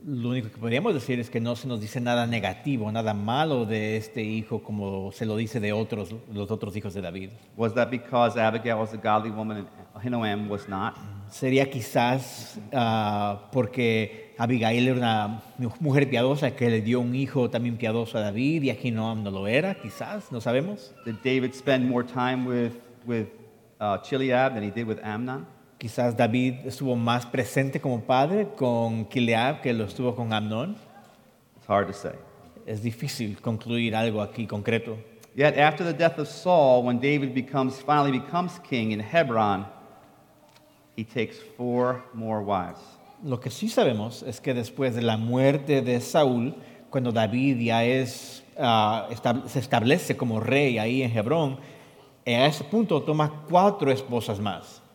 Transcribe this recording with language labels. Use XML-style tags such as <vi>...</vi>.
<es>Lo único que podríamos decir es que no se nos dice nada negativo, nada malo de este hijo como se lo dice de otros, los otros hijos de David.</es> <en>Was that because Abigail was a godly woman and Ahinoam was not?</en> <es>Sería quizás porque Abigail era una mujer piadosa que le dio un hijo también piadoso a David y Ahinoam no lo era, quizás, no sabemos.</es> <en>Did David spend more time with Chileab than he did with Amnon?</en> <es>Quizás David estuvo más presente como padre con Chileab que lo estuvo con Amnon.</es> <en>It's hard to say.</en> <es>Es difícil concluir algo aquí concreto.</es> <en>Yet after the death of Saul, when David finally becomes king in Hebron, he takes 4 more wives.</en> <es>Lo que sí sabemos es que después de la muerte de Saúl, cuando David ya se establece como rey ahí en Hebrón, a ese punto toma 4 esposas más.</es>